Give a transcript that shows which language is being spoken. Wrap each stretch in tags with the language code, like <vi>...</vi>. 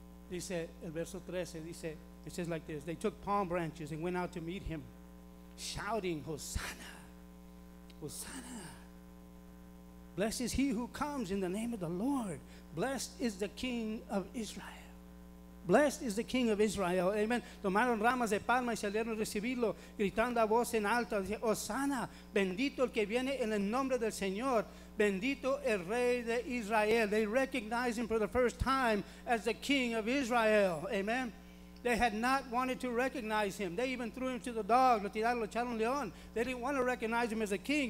<es>Dice, el verso 13, dice,</es> <en>it says like this, they took palm branches and went out to meet him, shouting, Hosanna, Hosanna. Blessed is he who comes in the name of the Lord. Blessed is the King of Israel. Blessed is the King of Israel. Amen.</en> <es>Tomaron ramas de palma y salieron a recibirlo, gritando a voz en alto. Dice, Hosanna, bendito el que viene en el nombre del Señor. Bendito el Rey de Israel.</es> <en>They recognized him for the first time as the King of Israel. Amen. They had not wanted to recognize him. They even threw him to the dog.</en> <es>Lo tiraron, lo echaron león.</es> <en>They didn't want to recognize him as a king.</en>